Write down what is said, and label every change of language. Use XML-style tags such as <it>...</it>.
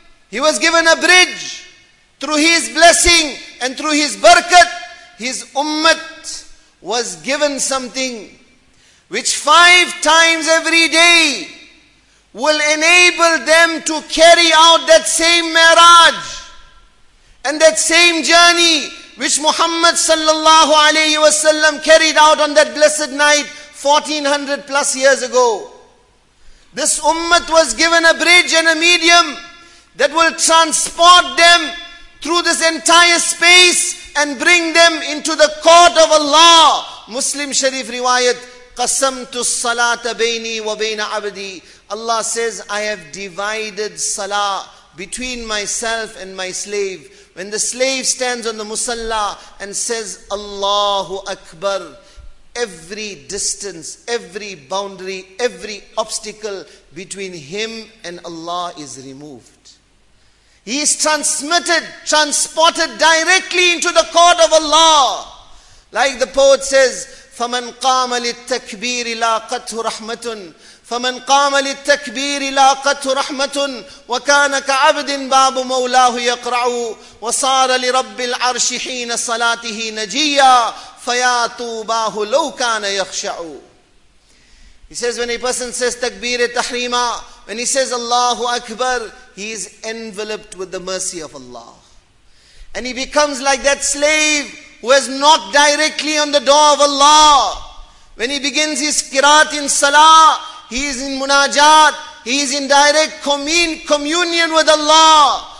<en>He was given a bridge. Through his blessing and through his barakat, his ummat was given something which five times every day will enable them to carry out that same miraj and that same journey which Muhammad sallallahu alayhi wa sallam carried out on that blessed night 1400 plus years ago. This ummat was given a bridge and a medium that will transport them through this entire space and bring them into the court of Allah. Muslim Sharif riwayat,</en> <ar>قَسَمْتُ الصَّلَاةَ بَيْنِي وَبَيْنَ عَبْدِي.</ar> <en>Allah says, I have divided salah between myself and my slave. When the slave stands on the musalla and says, Allahu Akbar, every distance, every boundary, every obstacle between him and Allah is removed. He is transported directly into the court of Allah. Like the poet says,</en> <ar>فَمَنْ قَامَ لِلتَّكْبِيرِ لَا قَتْهُ رَحْمَةٌ فمن قام للتكبير لاقته رحمة وكان كعبد باب مولاه يقرع وصار لرب العرش حين صلاته نجيا فيا توباه لو كان يخشع.</ar> <en>He says when a person says takbir tahrima, when he says Allahu Akbar, he is enveloped with the mercy of Allah. And he becomes like that slave who has knocked directly on the door of Allah. When he begins his qiraat in salah, he is in munajat, he is in direct communion with Allah.</en>